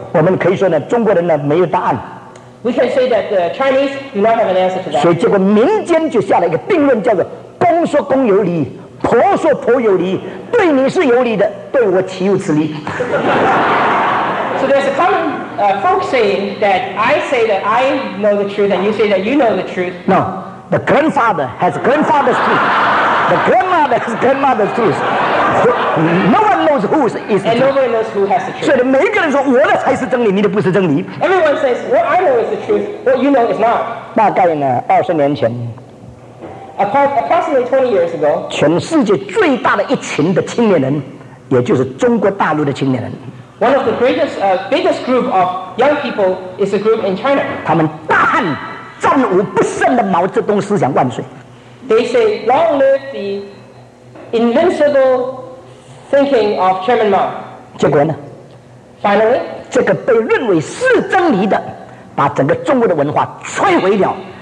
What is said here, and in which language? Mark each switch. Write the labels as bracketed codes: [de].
[zh] 我们可以说呢，中国人呢没有答案。 [en] We can say that the Chinese do not have an answer to that. [zh] 所以结果民间就下了一个定论，叫做公说公有理，婆说婆有理，对你是有理的，对我岂有此理。 [en] So there's a common folks saying that I say that I know the truth and you say that you know the truth. No, the grandfather has grandfather's truth. The grandmother has grandmother's truth. No one knows knows who is the truth. And nobody knows who has the truth. [zh] 所以每一个人说我的才是真理，你的不是真理。 [en] Everyone says, what I know is the truth, what you know is not. [zh] 大概呢，20年前。 [en] Approximately 20 years ago, [zh] 全世界最大的一群的青年人, 也就是中国大陆的青年人, [en] one of the greatest, biggest group of young people is a group in China. [zh] 他们大喊, 战无不胜的毛泽东思想万岁。 [en] They say, long live the invincible thinking of Chairman Mao. [zh] 结果呢? [en] Finally, [zh] 这个被认为是真理的, 把整个中国的文化摧毁了。